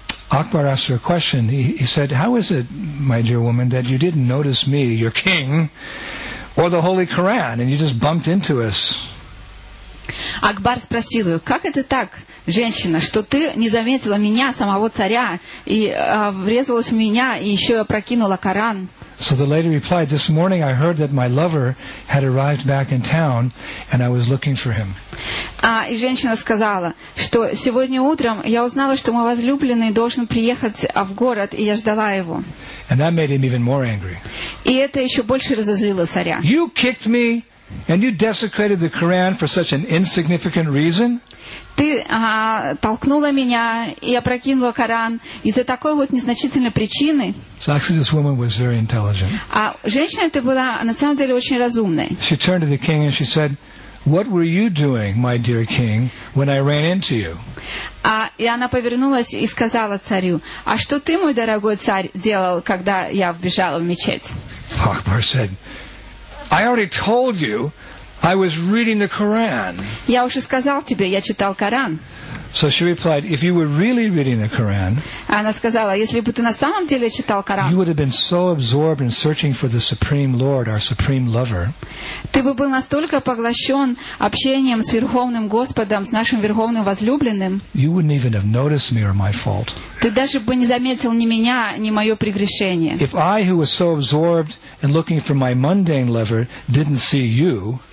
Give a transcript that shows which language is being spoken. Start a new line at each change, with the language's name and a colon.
English: Akbar asked her a question. He said, "How is it, my dear woman, that you didn't notice me, your king, or the Holy Quran, and you just bumped into us?"
Russian: Акбар спросил ее, как это так, женщина, что ты не заметила меня, самого царя, и врезалась в меня, и еще и опрокинула Коран.
English: So the lady replied, "This morning I heard that my lover had arrived back in town, and I was looking for him."
Russian: И женщина сказала, что сегодня утром я узнала, что мой возлюбленный должен приехать в город, и я ждала его.
English: And that made him even more angry.
Russian: И это еще больше разозлило царя.
English: You kicked me! And you desecrated the Quran for such an insignificant reason?
Russian: Ты толкнула меня и опрокинула Коран из-за такой вот незначительной причины.
English: So actually, this woman was very intelligent.
Russian: А женщина эта была на самом деле очень разумной.
English: She turned to the king and she said, "What were you doing, my dear king, when I ran into you?"
Russian: И она повернулась и сказала царю, "А что ты, мой дорогой царь, делал, когда я вбежала в мечеть?"
English: Akbar said, "I already told you I was reading the Quran."
Russian: Я уже сказал тебе, я читал Коран.
English: So she replied, "If you were really reading the Quran,"
Russian: она сказала, если бы ты на самом деле читал Коран,
English: "you would have been so absorbed in searching for the Supreme Lord, our Supreme Lover."
Russian: Ты бы был настолько поглощен общением с Верховным Господом, с нашим Верховным Возлюбленным,
English: "you wouldn't even have noticed me or my fault."
Russian: Ты даже бы не заметил ни меня, ни мое прегрешение.
English: "If I, who was so absorbed in looking for my mundane lover, didn't see you,"